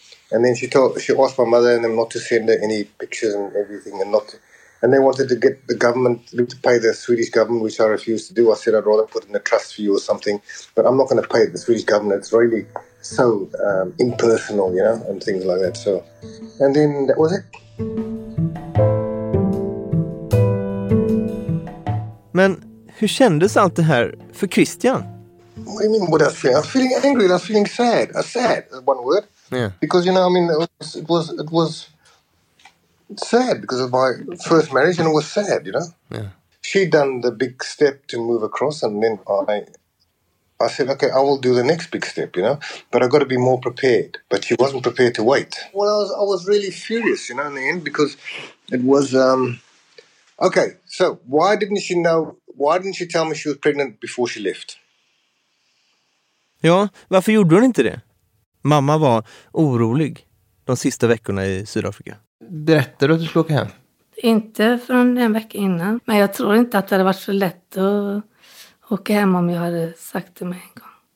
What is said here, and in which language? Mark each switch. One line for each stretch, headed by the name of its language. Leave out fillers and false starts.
English: And then she asked my mother and them not to send her any pictures and everything and not to, and they wanted to get the government to pay the Swedish government, which I refused to do. I said I'd rather put in a trust for you or something, but I'm not going to pay the Swedish government. It's really so impersonal, you know, and things like that. So, and then that was it.
Swedish: Men hur kändes allt det här för Christian?
English: What do you mean, what I feel? I was feeling angry. I was feeling sad. Sad, one word. Yeah. Because, you know, I mean, it was sad because of my first marriage and it was sad, you know. Yeah. She'd done the big step to move across and then I said, okay, I will do the next big step, you know, but I've got to be more prepared. But she wasn't prepared to wait. Well, I was really furious, you know, in the end, because it was, okay, so why didn't she tell me she was pregnant before she left?
Swedish: Ja, varför gjorde hon inte det? Mamma var orolig de sista veckorna i Sydafrika. Berättade du att du skulle åka hem? Inte från en vecka innan. Men jag tror inte att det hade varit så lätt att åka hem om jag hade sagt det med en gång.